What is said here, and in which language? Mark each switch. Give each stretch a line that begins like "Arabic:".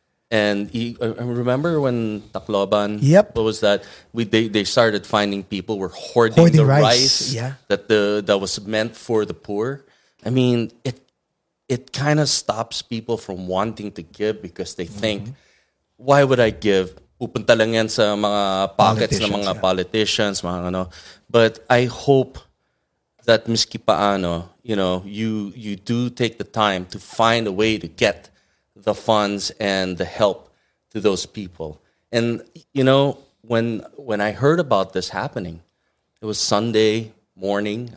English: And I remember when Tacloban, yep. What was that? They started finding people were hoarding the rice yeah. that was meant for the poor. I mean, it kind of stops people from wanting to give because they think, why would I give?
Filipino: Pupunta lang yan sa mga pockets ng mga politicians, mga ano.
English: But I hope that miski paano, you know, you do take the time to find a way to get the funds and the help to those people. And you know, when I heard about this happening, it was Sunday morning.